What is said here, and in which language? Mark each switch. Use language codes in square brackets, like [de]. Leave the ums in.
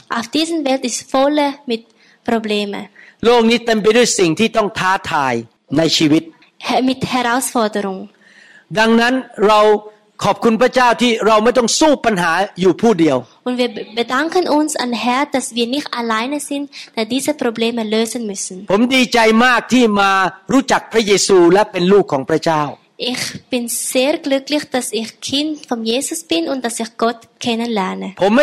[de] Auf diesen Welt ist voller mit Probleme. [th] โลกนี้เต็มไปด้วยสิ่งที่ต้องท้าทายในชีวิต [de] Mit Herausforderung. [th] ดังนั้นเราขอบคุณพระเจ้าที่เราไม่ต้องสู้ปัญหาอยู่ผู้เดียว [de] Und wir bedanken uns an Herr, dass wir nicht alleine sind, da diese Probleme lösen müssen. [th] ผมดีใจมากที่มารู้จักพระเยซูและเป็นลูกของพระเจ้า [de] Ich bin sehr glücklich, dass ich Kind von Jesus bin und dass ich Gott kennenlerne.